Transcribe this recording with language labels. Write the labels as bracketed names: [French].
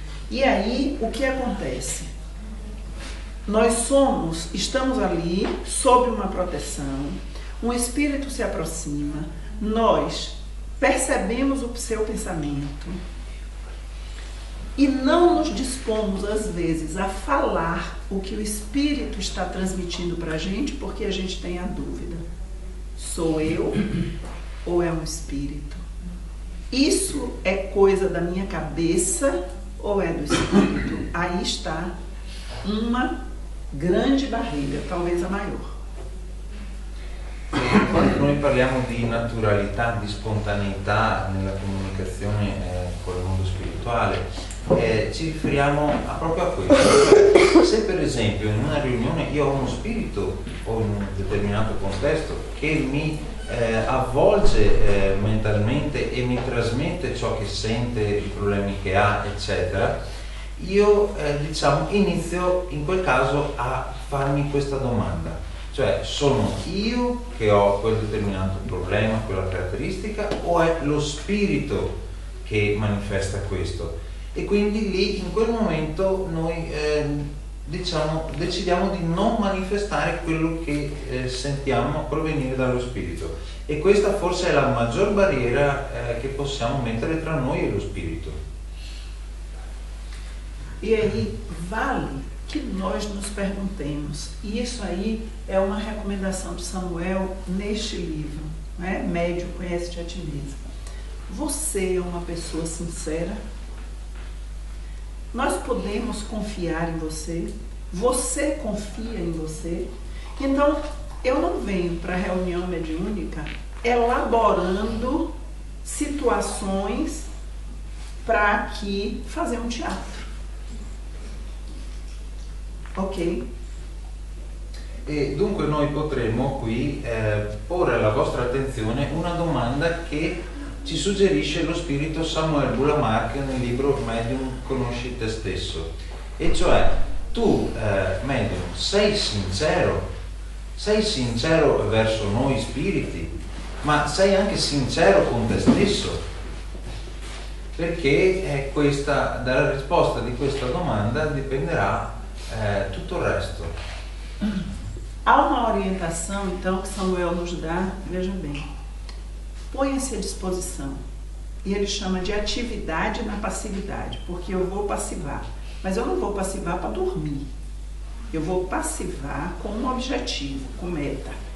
[Portuguese] E aí, o que acontece? Nós somos, estamos ali sob uma proteção, um espírito se aproxima, nós percebemos o seu pensamento e não nos dispomos, às vezes, a falar o que o espírito está transmitindo para a gente, porque a gente tem a dúvida. Sou eu ou é um espírito? Isso é coisa da minha cabeça ou é do espírito? Aí está uma grande barreira, talvez a maior. [Italian] Quando noi parliamo di naturalità, di spontaneità nella comunicazione con il mondo spirituale, ci riferiamo a proprio a questo. Se per esempio in una riunione io ho uno spirito o in un determinato contesto che mi avvolge mentalmente e mi trasmette ciò che sente, i problemi che ha, eccetera, io diciamo inizio in quel caso a farmi questa domanda. Cioè, sono io che ho quel determinato problema, quella caratteristica, o è lo spirito che manifesta questo? E quindi lì, in quel momento, noi diciamo, decidiamo di non manifestare quello che sentiamo provenire dallo spirito. E questa forse è la maggior barriera che possiamo mettere tra noi e lo spirito. [Portuguese] E aí, vale que nós nos perguntemos, e isso aí é uma recomendação de Samuel neste livro, né? Médio, conhece-te a ti mesmo. Você é uma pessoa sincera? Nós podemos confiar em você? Você confia em você? Então, eu não venho para a reunião mediúnica elaborando situações para aqui fazer um teatro. Ok. [Italian] E dunque noi potremmo qui porre alla vostra attenzione una domanda che ci suggerisce lo spirito Samuel Boulamarck nel libro Medium conosci te stesso. E cioè, tu medium sei sincero? Sei sincero verso noi spiriti? Ma sei anche sincero con te stesso? Perché questa, dalla risposta di questa domanda dipenderà [Portuguese] tudo o resto. Há uma orientação, então, que Samuel nos dá, veja bem. Põe-se à disposição. E ele chama de atividade na passividade, porque eu vou passivar. Mas eu não vou passivar para dormir. Eu vou passivar com um objetivo, com meta.